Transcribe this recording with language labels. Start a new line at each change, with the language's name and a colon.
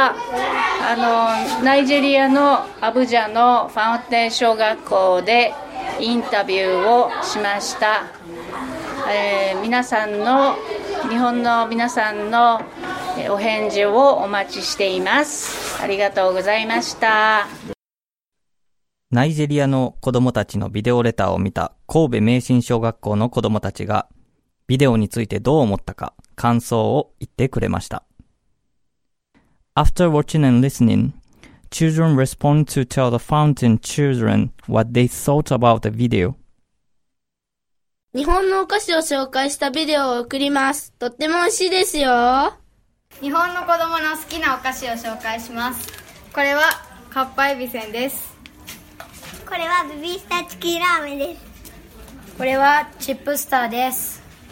Japanese: ナイジェリアのアブジャのファウンテン小学校でインタビューをしました、皆さんの日本の皆さんのお返事をお待ちしています。ありがとうございました。ナイジェリアの子どもたちのビデオレターを見た神戸明神小学校の子どもたちがビデオについてどう思ったか感想を言ってくれました。
English: After watching and listeningChildren respond to tell the fountain children what they thought about the video.
Japanese: 日本のお菓子を紹介したビデオを送ります。とっても美味しいですよ。日本の子供の好きなお菓子を紹介します。これはカッパエビセンです。これはベビースターチキンラーメンです。これはチップスターです。